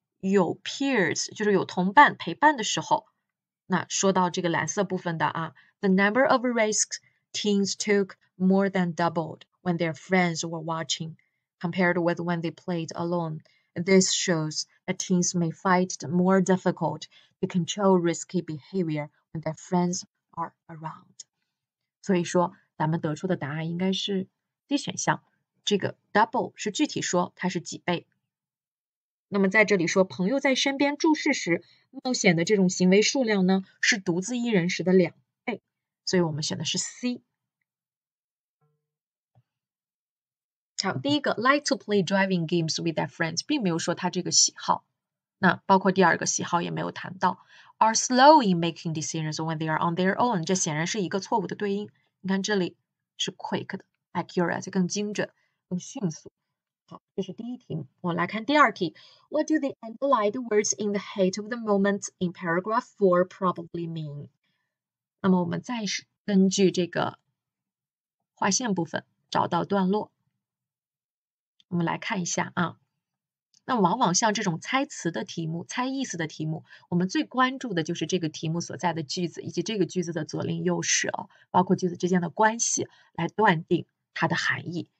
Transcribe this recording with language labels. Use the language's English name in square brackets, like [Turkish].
[Chinese] 有 peers 就是有同伴陪伴的时候，那说到这个蓝色部分的啊 [English] ，the number of risks teens took more than doubled when their friends were watching compared with when they played alone. This shows that teens may find it more difficult to control risky behavior when their friends are around. [Chinese] 所以说，咱们得出的答案应该是 D 选项。这个 double 是具体说它是几倍。那么在这里说，朋友在身边注视时冒险的这种行为数量呢，是独自一人时的两倍，所以我们选的是 C。好，第一个 [English] like to play driving games with their friends [Chinese] 并没有说他这个喜好，那包括第二个喜好也没有谈到。 [English] Are slow in making decisions when they are on their own， [Chinese] 这显然是一个错误的对应。你看这里是 quick 的 accurate 更精准、更迅速。好，这是第一题，我来看第二题。 [English] What do the underlined words in the heat of the moment in paragraph four probably mean？ [Chinese] 那么我们再是根据这个划线部分找到段落。我们来看一下啊，那往往像这种猜词的题目、猜意思的题目，我们最关注的就是这个题目所在的句子以及这个句子的左邻右舍，包括句子之间的关系，来断定它的含义。